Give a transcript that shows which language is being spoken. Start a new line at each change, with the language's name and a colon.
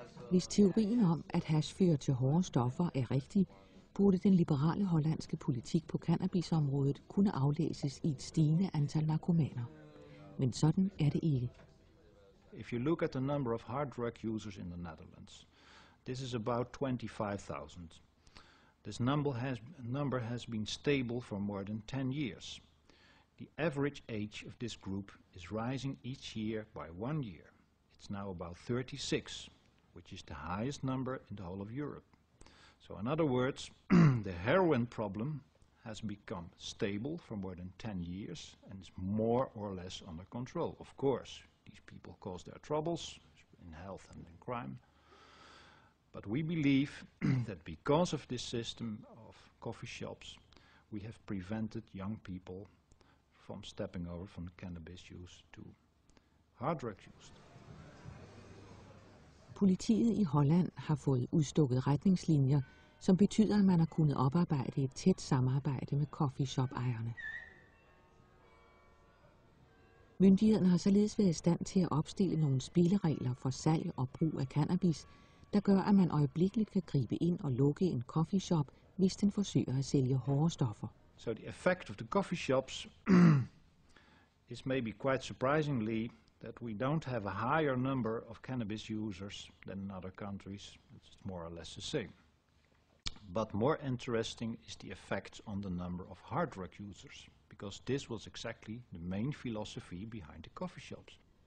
Danish: Hvis teorien om, at hash fører til hårde stoffer, er rigtig, burde den liberale hollandske politik på cannabisområdet kunne aflæses i et stigende antal narkomaner. Men sådan er det ikke.
English: If you look at the number of hard drug users in the Netherlands, this is about 25,000. This number has been stable for more than 10 years. The average age of this group is rising each year by 1 year. It's now about 36, which is the highest number in the whole of Europe. So in other words, the heroin problem has become stable for more than 10 years and is more or less under control, of course. These people cause their troubles, as in health and in crime. But we believe that because of this system of coffee shops, we have prevented young people from stepping over from cannabis use to hard drug use.
Danish: Politiet i Holland har fået udstukket retningslinjer, som betyder, at man har kunnet oparbejde et tæt samarbejde med coffeeshop-ejerne. Myndighederne har således været i stand til at opstille nogle spilleregler for salg og brug af cannabis, der gør, at man øjeblikkeligt kan gribe ind og lukke en coffeeshop, hvis den forsøger at sælge hårde stoffer.
English: So the effect of the coffee shops is maybe quite surprisingly that we don't have a higher number of cannabis users than in other countries. It's more or less the same. But more interesting is the effect on the number of hard drug users, because this was exactly the main philosophy behind the coffee shops.